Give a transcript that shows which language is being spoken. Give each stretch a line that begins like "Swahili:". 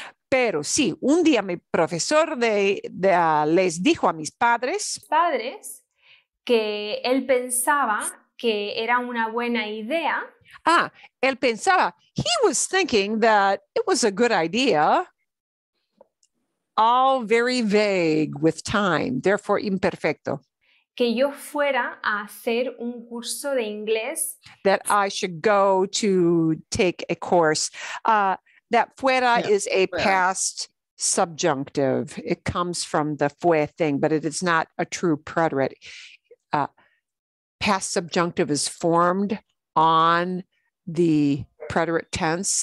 Spanish: Pero sí, un día mi profesor les dijo a mis padres. Padres, que él pensaba que era una buena idea. Él pensaba.
English: He was thinking that it was a good idea. All very vague with time. Therefore, imperfecto.
Spanish: Que yo fuera a hacer un curso de inglés.
English: That I should go to take a course. That fuera is a past subjunctive. It comes from the fue thing, but it is not a true preterite. Past subjunctive is formed on the preterite tense.